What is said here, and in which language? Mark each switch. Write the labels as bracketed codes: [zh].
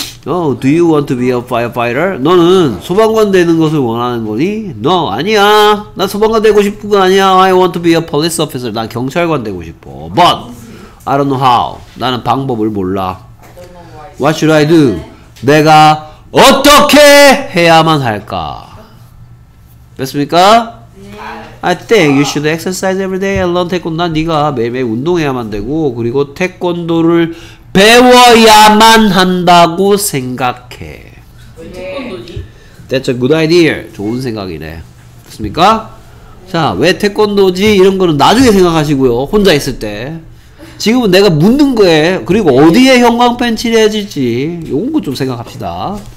[en] Oh, do you want to be a firefighter? [ko] 너는 소방관 되는 것을 원하는 거니? [en] No, [ko] 아니야. 나 소방관 되고 싶은 거 아니야. [en] I want to be a police officer. [ko] 난 경찰관 되고 싶어. [en] But, I don't know how. [ko] 나는 방법을 몰라. [en] What should I do? [ko] 내가 어떻게 해야만 할까? 됐습니까? [en] I think you should exercise every day and learn 태권도. [ko] 난 네가 매일매일 운동해야만 되고 그리고 태권도를 배워야만 한다고 생각해. 태권도지? [en] That's a good idea. [ko] 좋은 생각이네. 됐습니까? 자, 왜 태권도지? 이런 거는 나중에 생각하시고요. 혼자 있을 때. 지금은 내가 묻는 거에 그리고 어디에 형광펜치를 해야 될지 이런 거 좀 생각합시다.